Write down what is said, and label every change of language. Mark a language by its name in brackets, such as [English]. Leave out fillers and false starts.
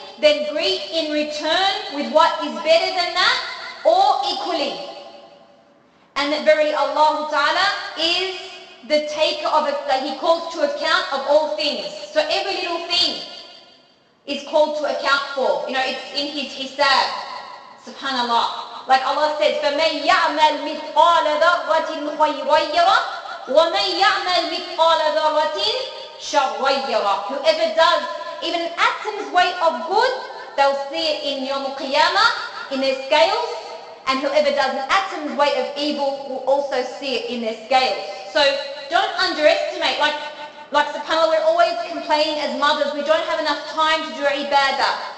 [English] then greet in return with what is better than that or equally. And that verily Allah Ta'ala is the taker of it, that He calls to account of all things. So every little thing is called to account for. You know, it's in His hisab. SubhanAllah. Like Allah says, [Arabic] فَمَنْ يَعْمَلْ مِثْقَالَ ذَرَّةٍ خَيْرًا وَمَنْ يَعْمَلْ مِثْقَالَ ذَرَّةٍ شَرًّا. [English] Whoever does even an atom's weight of good, they'll see it in Yawm Qiyamah, in their scales. And whoever does an atom's weight of evil will also see it in their scales. So don't underestimate, like SubhanAllah, we're always complaining as mothers, we don't have enough time to do ibadah.